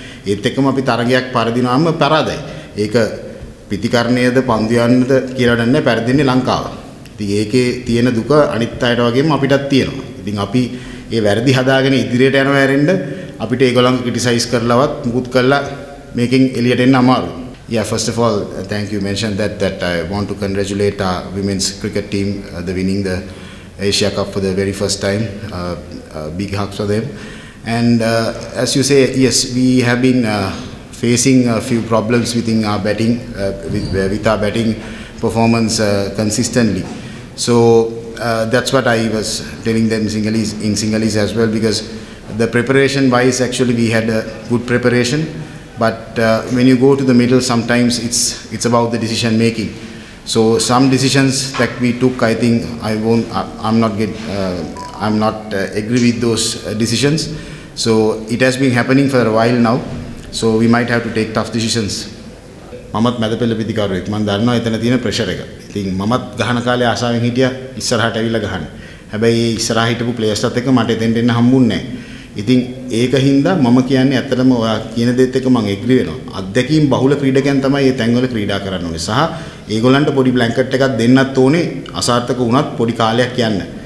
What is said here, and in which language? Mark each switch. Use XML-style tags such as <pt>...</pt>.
<si>ඒත් එක්කම අපි තරගයක් පරදිනාම පරාදයි. ඒක පිතිකරණයේද පන්දියන්නේද කියලා දැනන්නේ පරිදින්නේ ලංකාව. ඉතින් ඒකේ තියෙන දුක අනිත් අයට වගේම අපිටත් තියෙනවා. ඉතින් අපි ඒ වැරදි හදාගෙන ඉදිරියට යනව හැරෙන්න අපිට ඒගොල්ලන් ක්‍රිටිසයිස් කරලවත් මුකුත් කරලා මේකෙන් එළියට එන්න අමාරු.</si> <en>Yeah, first of all, thank you. Mentioned that I want to congratulate our women's cricket team the winning the Asia Cup for the very first time. Big hugs for them. And as you say, yes, we have been facing a few problems within our batting, with our batting performance consistently. So that's what I was telling them in Singhalese as well, because the preparation wise, actually we had a good preparation, but when you go to the middle, sometimes it's about the decision making. So some decisions that we took, I think I'm not agree with those decisions. So it has been happening for a while now. So we might have to take tough decisions.</en> <si>මමත් මැදපෙළ පිතිකරුවෙක්. මම දන්නවා එතන තියෙන pressure එක. ඉතින් මමත් ගහන කාලේ ආසාවෙන් හිටියා ඉස්සරහට ඇවිල්ලා ගහන්න. හැබැයි ඒ ඉස්සරහා හිටපු ප්ලේයර්ස්ත් එක්ක මට එතෙන් දෙන්න හම්බුන්නේ නැහැ. ඉතින් ඒක හින්දා මම කියන්නේ ඇත්තටම ඔයා කියන දේත් එක්ක මම ඇග්‍රී වෙනවා. අධ්‍යක්ෂින් බහුල ක්‍රීඩකයන් තමයි මේ තැන්වල ක්‍රීඩා කරන්න ඕනේ. සහ ඒගොල්ලන්ට පොඩි බ්ලැන්කට් එකක් දෙන්නත් ඕනේ අසාර්ථක වුණත් පොඩි කාලයක් යන්න.</si>